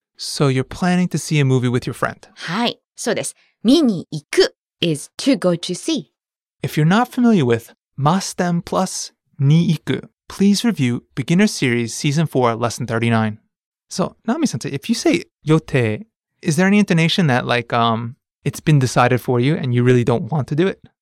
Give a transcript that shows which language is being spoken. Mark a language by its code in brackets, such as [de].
[en] So you're planning to see a movie with your friend. [ja] はい、そうです。見に行く。 [en] is to go to see. If you're not familiar with Masten plus ni iku, please review Beginner Series Season 4, Lesson 39. So, Nami-sensei, if you say yote, is there any intonation that like it's been decided for you and you really don't want to do it?